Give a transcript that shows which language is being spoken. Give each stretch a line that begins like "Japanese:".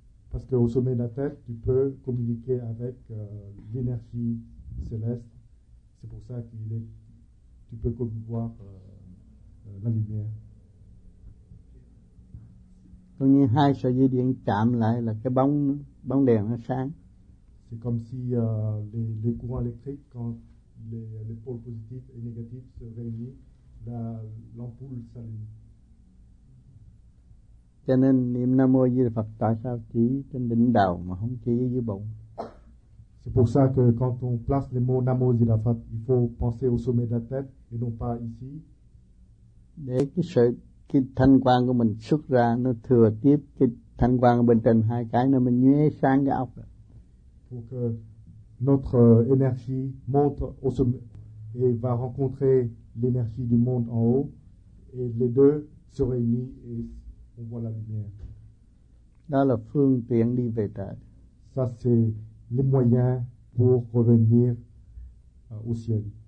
French: Parce qu'au sommet de la Terre, tu peux communiquer avec l'énergie céleste. C'est pour ça que tu peux voir la lumière.
Vietnamese: Tôi nghe hai sợi dây điện chạm lại là cái bóng đèn nó sáng.
French: C'est comme si les courants électriques, quand les pôles positifs et négatifs se réunissent, l'ampoule s'allume.
Vietnamese: Cho nên niệm Nam Mô A Di Đà Phật tại sao chỉ trên đỉnh đầu mà không chỉ dưới bụng?
French: C'est pour ça que quand on place les mots Nam Mô A Di Đà Phật, il faut penser au sommet de la tête et non pas ici.
Vietnamese: Để cái thanh quang của mình xuất ra, nó thừa tiếp cái thanh quang bên trên hai cái, nó mình nhuế sáng cái óc.
French: Pour que notre énergie monte au sommet et va rencontrer l'énergie du monde en haut, et les deux se réunissent et on voit la lumière.
Vietnamese: Đó là phương tiện đi về trời.
French: Ça, c'est les moyens pour revenir au ciel.